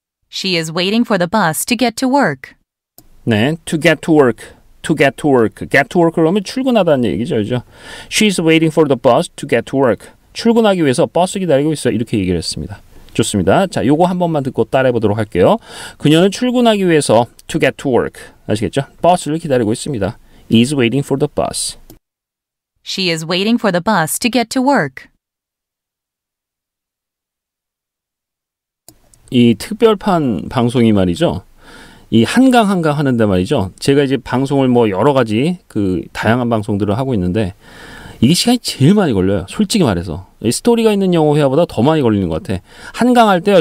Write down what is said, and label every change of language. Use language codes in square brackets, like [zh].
[en] She is waiting for the bus to get to work. 네, to get to work. To get to work. Get to work [ko] 그러면 출근하다는 얘기죠. 그렇죠? [en] She's waiting for the bus to get to work. [ko] 출근하기 위해서 버스 기다리고 있어요. 이렇게 얘기를 했습니다. 좋습니다. 자, 요거 한 번만 듣고 따라해 보도록 할게요. 그녀는 출근하기 위해서 [en] to get to work. [ko] 아시겠죠? 버스를 기다리고 있습니다. [en] Is waiting for the bus. She is waiting for the bus to get to work. [ko] 이 특별판 방송이 말이죠. 이 한강 하는데 말이죠. 제가 이제 방송을 뭐 여러 가지 그 다양한 방송들을 하고 있는데 이게 시간이 제일 많이 걸려요. 솔직히 말해서. 이 스토리가 있는 영어 회화보다 더 많이 걸리는 것 같아. 한강 할 때요.